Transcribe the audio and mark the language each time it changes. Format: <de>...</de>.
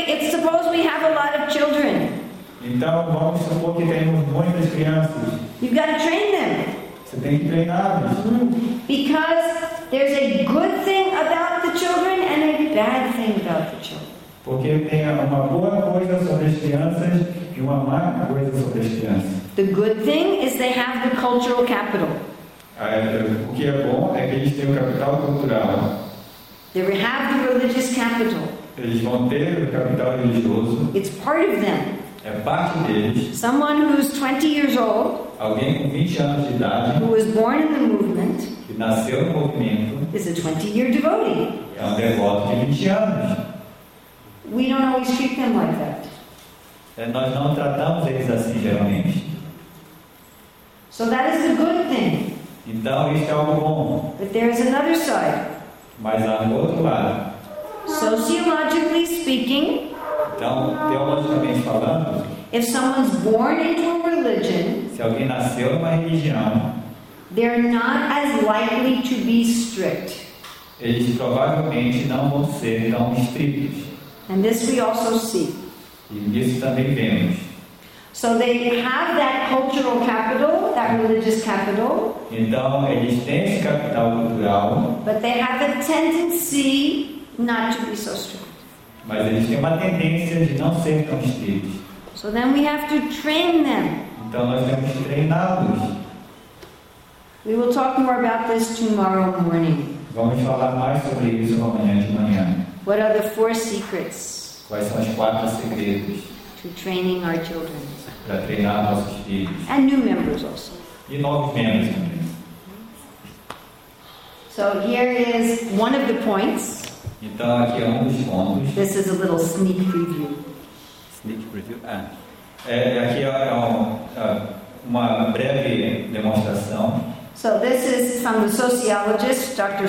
<en>Suppose we have a lot of children.</en> <pt>Então, vamos supor que temos muitas crianças.</pt> <en>You've got to train them.</en> <pt>Você tem que treiná-las.</pt> <en>Because there's a good thing about the children and a bad thing about the children.</en> <pt>Porque tem uma boa coisa sobre as crianças e uma má coisa sobre as crianças.</pt> <en>The good thing is they have the cultural capital.</en> <pt>O que é bom é que eles têm o capital cultural.</pt> <en>They have the religious capital.</en> <pt>Eles vão ter o capital religioso.</pt> <en>It's part of them.</en> <pt>É parte deles.</pt> <en>Someone who's 20 years old.</en> <pt>Alguém com 20 anos de idade.</pt> <en>Who was born in the movement.</en> <pt>Que nasceu no movimento.</pt> <en>Is a 20-year devotee.</en> <pt>É um devoto de 20 anos.</pt> <en>We don't always treat them like that.</en> <pt>Nós não tratamos eles assim geralmente.</pt> <en>So that is a good thing.</en> <pt>Então isso é algo bom.</pt> <en>But there is another side.</en> <pt>Mas há um outro lado.</pt> <en>Sociologically speaking,</en> <pt>então, teologicamente falando,</pt> <en>if someone's born into a religion,</en> <pt>se alguém nasceu numa religião,</pt> <en>they're not as likely to be strict.</en> <pt>Eles provavelmente não vão ser tão estritos.</pt> <en>And this we also see.</en> <pt>E isso também vemos.</pt> <en>So they have that cultural capital, that religious capital.</en> <pt>Então, eles têm esse capital cultural,</pt> <en>but they have a tendency not to be so strict.</en> <pt>Mas eles têm uma tendência de não ser tão estritos.</pt> <en>So then we have to train them.</en> <pt>Então nós temos que treiná-los.</pt> <en>We will talk more about this tomorrow morning.</en> <pt>Vamos falar mais sobre isso amanhã de manhã.</pt> <en>What are the four secrets?</en> <pt>Quais são os quatro segredos?</pt> <en>To training our children.</en> <pt>Para treinar nossos filhos.</pt> <en>And new members also.</en> <pt>E novos membros também.</pt> <en>So here is one of the points.</en> <pt>Então, aqui é um dos pontos.</pt> <en>This is a little sneak preview. Sneak preview? Ah.</en> <pt>Aqui é uma breve demonstração.</pt> <en>So, this is from the sociologist, Dr.</en>